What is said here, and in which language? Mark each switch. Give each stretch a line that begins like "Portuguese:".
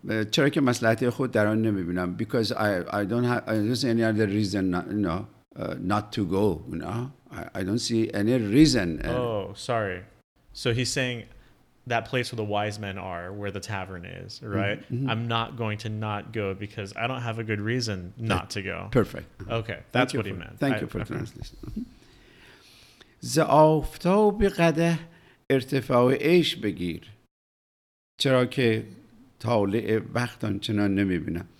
Persian: چرا که مصلحت خود در آن نمی‌بینم.
English: Because I don't see any other reason, not to go. You know, I don't see any reason. Sorry. So he's saying that place where the wise men are, where the tavern is, right? Mm-hmm. I'm not going to not go because I don't have a good reason not to go. Perfect. Okay, that's what he meant. Thank you for translation.
Persian: ز آفتاب قده ارتفاع عیش بگیر چرا که طالع وقت آنچنان نمیبینم.